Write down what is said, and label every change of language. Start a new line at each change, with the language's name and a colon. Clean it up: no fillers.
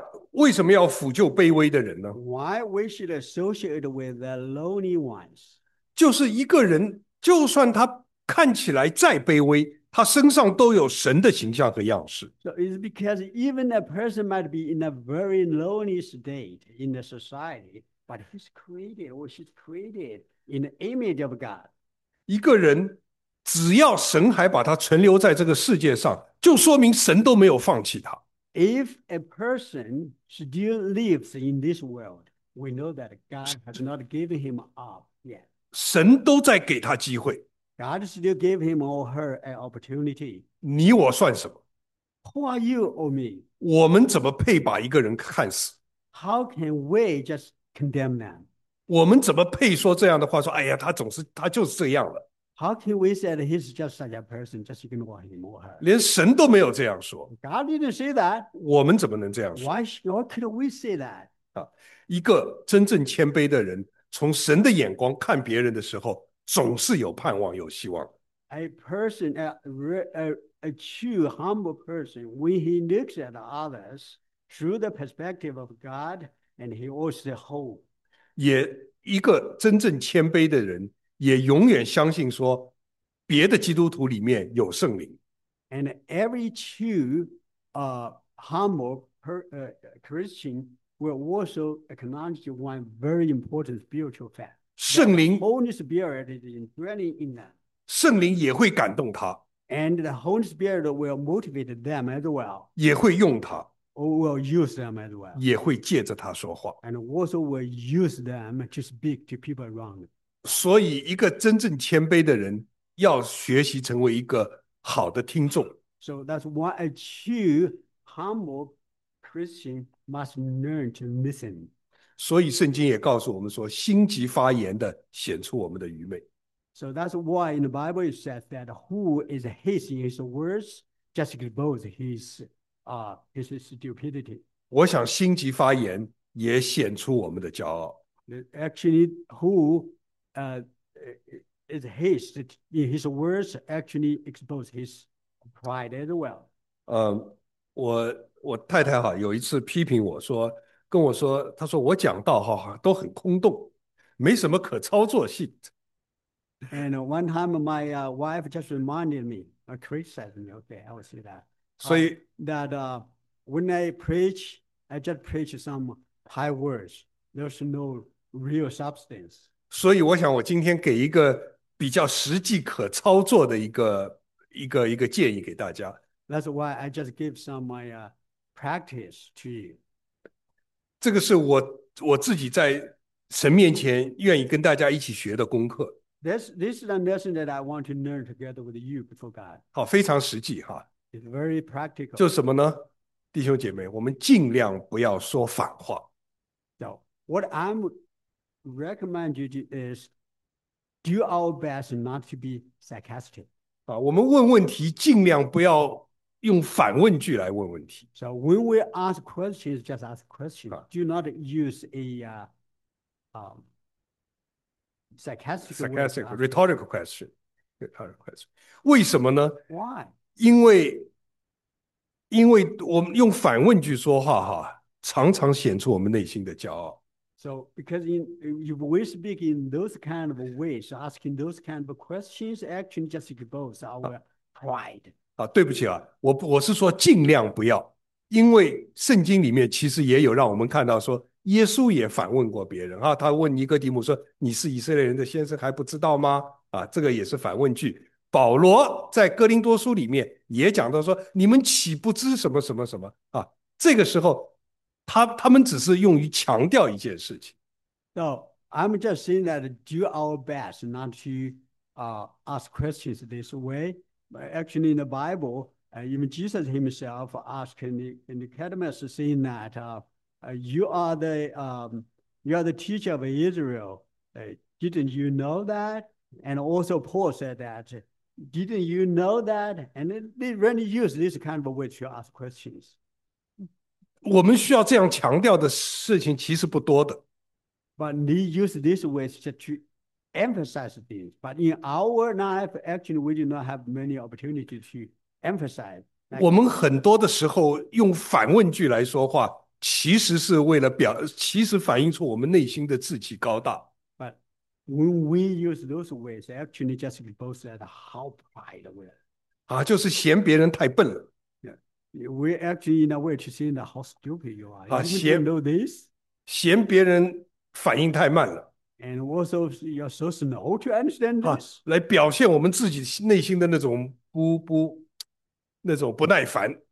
Chinese: 为什么要俯就卑微的人呢？
English: Why we should associate with the lowly ones?
Chinese: 就是一个人，就算他看起来再卑微，他身上都有神的形象和样式。
English: So it's because even a person might be in a very lonely state in the society, but he's created or she's created in the image of God.
Chinese: 一个人只要神还把他存留在这个世界上，就说明神都没有放弃他。
English: If a person still lives in this world, we know that God has not given him up yet.
Chinese: 神都在给他机会。
English: God still gave him or her an opportunity.
Chinese: 你我算什么？
English: Who are you or me?
Chinese: 我们怎么配把一个人看死？
English: How can we just condemn them?
Chinese: 我们怎么配说这样的话？说哎呀，他就是这样了。
English: How can we say that he's just such a person, just ignore him or her?
Chinese: 连神都没有这样说。
English: God didn't say that.
Chinese: 我们怎么能这样说？
English: Why could we say that?
Chinese: 一个真正谦卑的人，从神的眼光看别人的时候，总是有盼望，有希望。
English: A person, a true humble person, when he looks at others through the perspective of God, and he also has hope.
Chinese: 也一个真正谦卑的人，也永远相信说，别的基督徒里面有圣灵。
English: And every true humble Christian will also acknowledge one very important spiritual fact.
Chinese: 圣灵
English: The Holy Spirit is dwelling in them.
Chinese: 圣灵也会感动他。
English: And the Holy Spirit will motivate them as well.
Chinese: 也会用他。
English: Or will use them as well.
Chinese: 也会借着他说话。
English: And also will use them to speak to people around them.
Chinese: 所以一个真正谦卑的人要学习成为一个好的听众。
English: So that's why a true humble Christian must learn to listen.
Chinese: 所以圣经也告诉我们说，心急发言的显出我们的愚昧。
English: So that's why in the Bible it says that who is hasty in his words just exposes his stupidity.
Chinese: 我想心急发言也显出我们的骄傲。
English: Actually, who is hasty in his words actually exposes his pride as well.
Chinese: 我太太哈有一次批评我说，跟我说，她说我讲道哈都很空洞，没什么可操作性。
English: And one time my wife just reminded me, a criticized me, okay, I will say that. So that when I preach, I just preach some high words. There's no real substance.
Chinese: 所以我想，我今天给一个比较实际可操作的一个建议给大家。
English: That's why I just give some my practice to you.
Chinese: 这个是我自己在神面前愿意跟大家一起学的功课。
English: This is a lesson that I want to learn together with you before God.
Chinese: 好，非常实际哈。
English: It's very practical.
Chinese: 就什么呢？弟兄姐妹，我们尽量不要说反话。
English: So, what I'm recommend you is do our best not to be sarcastic.
Chinese: 我们问问题尽量不要用反问句来问问题。
English: So when we ask questions, just ask questions. Do not use a sarcastic sarcastic word. Rhetorical question. Rhetorical question.
Chinese: 为什么呢？
English: Why?
Chinese: 因为我们用反问句说话哈，常常显出我们内心的骄傲。
English: So, because if we speak in those kind of ways, asking those kind of questions, actually just expose our pride.
Chinese: 对不起啊，我是说尽量不要，因为圣经里面其实也有让我们看到说，耶稣也反问过别人啊，他问尼哥底母说：“你是以色列人的先生，还不知道吗？” 这个也是反问句。保罗在哥林多书里面也讲到说：“你们岂不知什么什么什么？” 这个时候。他们只是用于强调一件事情。
English: So I'm just saying that do our best not to ask questions this way. But actually, in the Bible, even Jesus himself asked in the Academus saying that you are the teacher of Israel. Didn't you know that? And also Paul said that. Didn't you know that? And they really use this kind of way to ask questions.
Chinese: 我们需要这样强调的事情其实不多的。
English: But they use this way to emphasize things. But in our life, actually, we do not have many opportunities to emphasize.
Chinese: 我们很多的时候用反问句来说话，其实是为了表，其实反映出我们内心的志气高大。
English: But when we use those ways, actually, just expose that how pride we are.
Chinese: 就是嫌别人太笨了。
English: We actually, in a way, to see how stupid you are. Even if you know this,
Chinese: 嫌别人反应太慢了。
English: and also you're so slow to understand this.
Chinese: 来表现我们自己内心的那种不耐烦。